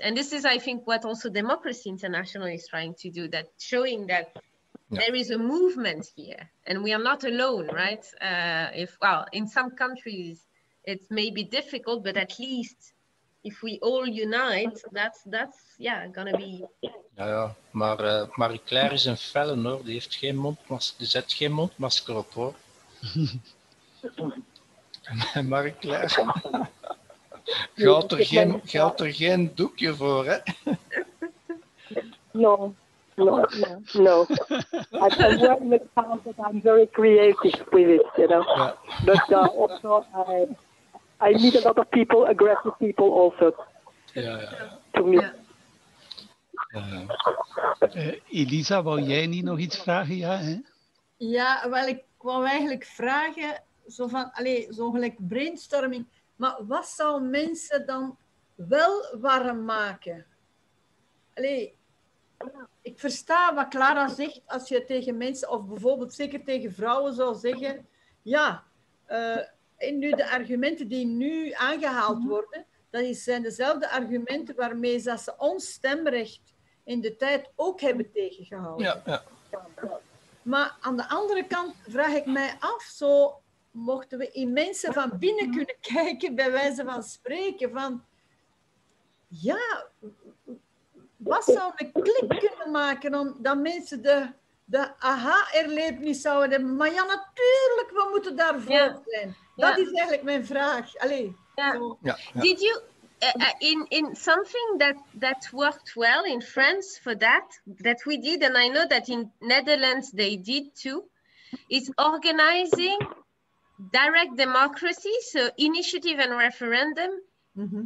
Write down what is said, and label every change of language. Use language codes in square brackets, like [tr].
[en] And this is, I think, what also Democracy International is trying to do, that showing that there is a movement here and we are not alone, right? If in some countries it may be difficult, but at least if we all unite, that's going to be... [nl] Ja, maar Marie-Claire is een felle, hoor. Die heeft geen mondmasker. Die zet geen mondmasker op, hoor. Marie-Claire. Geldt er geen doekje voor, hè? [en] No. I can work with sound, but I'm very creative with it, you know. [nl] Ja. [en] But also, I meet a lot of people, aggressive people also. [nl] Ja. [en] To me. [nl] Elisa, wou jij niet nog iets vragen? Ja, hè? Ja, wel, ik wou eigenlijk vragen, zo van, allez, zo gelijk brainstorming, maar wat zou mensen dan wel warm maken? Allez, ik versta wat Clara zegt, als je tegen mensen, of bijvoorbeeld zeker tegen vrouwen zou zeggen, ja, nu de argumenten die nu aangehaald worden, dat zijn dezelfde argumenten waarmee ze ons stemrecht in de tijd ook hebben tegengehouden. Ja. Maar aan de andere kant vraag ik mij af, zo mochten we in mensen van binnen kunnen kijken, bij wijze van spreken, van ja, wat zou een klik kunnen maken om dat mensen de aha-erlevenis zouden hebben? Maar ja, natuurlijk, we moeten daarvoor zijn. Dat is eigenlijk mijn vraag. Allee. [en] Did you in something that worked well in France for that we did, and I know that in Netherlands they did too, is organizing direct democracy, so initiative and referendum mm-hmm.